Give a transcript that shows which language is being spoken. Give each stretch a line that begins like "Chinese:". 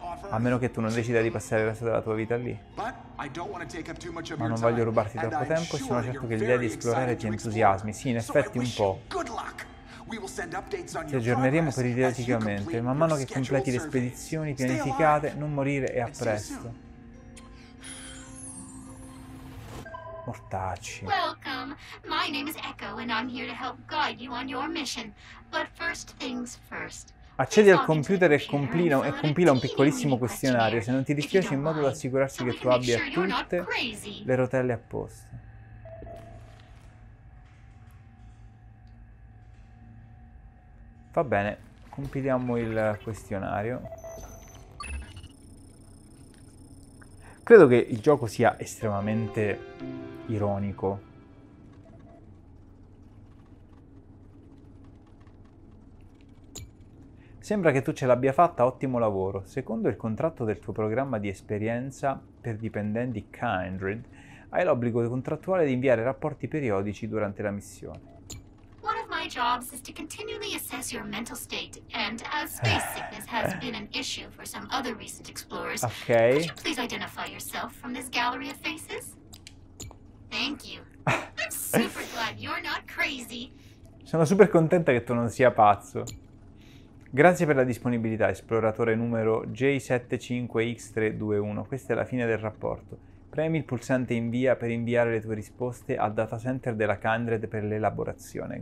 Italian: A meno che tu non decida di passare il resto della tua vita lì. Ma non voglio rubarti troppo tempo e sono certo che l'idea di esplorare ti entusiasmi. Sì, in effetti un po'. Ti aggiorneremo periodicamente. Man mano che completi le spedizioni pianificate, non morire e a presto.
English: Mortacci. Welcome. My name is Echo and I'm here to help guide you on your mission. But first things first.
Italian: Accedi al computer e compila un piccolissimo questionario, se non ti dispiace, in modo da assicurarsi che tu abbia tutte le rotelle a posto. Va bene, compiliamo il questionario. Credo che il gioco sia estremamente ironico. Sembra che tu ce l'abbia fatta, ottimo lavoro. Secondo il contratto del tuo programma di esperienza per dipendenti Kindred, hai l'obbligo contrattuale di inviare rapporti periodici durante la missione.
English: Jobs is to continually assess your mental state, and as space sickness has been an issue for some other recent explorers, okay. Could you please identify yourself from this gallery of faces? Thank you. I'm super glad you're not crazy.
Italian: Sono super contenta che tu non sia pazzo. Grazie per la disponibilità, esploratore numero J75X321. Questa è la fine del rapporto. Premi il pulsante invia per inviare le tue risposte al data center della Kindred per l'elaborazione.